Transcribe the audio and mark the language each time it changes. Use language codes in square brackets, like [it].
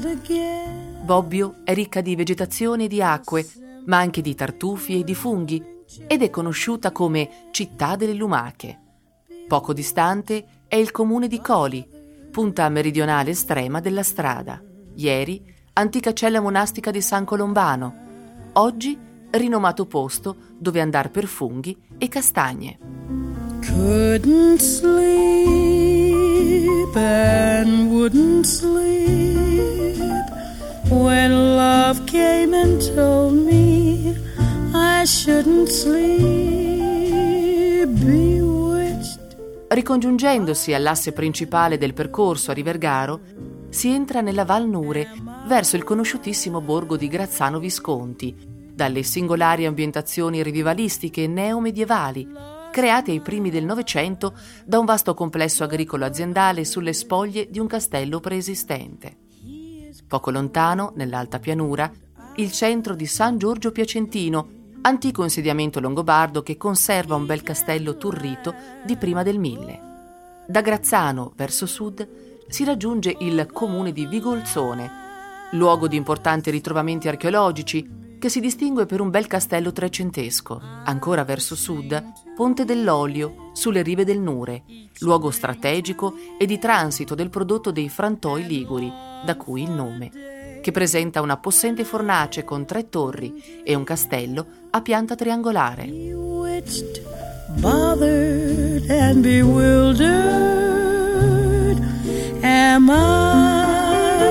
[it] Bobbio è ricca di vegetazione e di acque, ma anche di tartufi e di funghi, ed è conosciuta come città delle lumache. Poco distante è il comune di Coli, punta meridionale estrema della strada. Ieri, antica cella monastica di San Colombano. Oggi, rinomato posto dove andar per funghi e castagne. [en] Couldn't sleep and wouldn't sleep when love came and told me I shouldn't sleep, bewitched. [it] Ricongiungendosi all'asse principale del percorso a Rivergaro, si entra nella Val Nure verso il conosciutissimo borgo di Grazzano Visconti, dalle singolari ambientazioni rivivalistiche neomedievali create ai primi del Novecento da un vasto complesso agricolo aziendale sulle spoglie di un castello preesistente. Poco lontano, nell'alta pianura, il centro di San Giorgio Piacentino, antico insediamento longobardo che conserva un bel castello turrito di prima del 1000. Da Grazzano, verso sud, si raggiunge il comune di Vigolzone, luogo di importanti ritrovamenti archeologici che si distingue per un bel castello trecentesco. Ancora verso sud, Ponte dell'Olio, sulle rive del Nure, luogo strategico e di transito del prodotto dei frantoi liguri, da cui il nome, che presenta una possente fornace con tre torri e un castello a pianta triangolare. [en] Bewitched, bothered and bewildered, am I?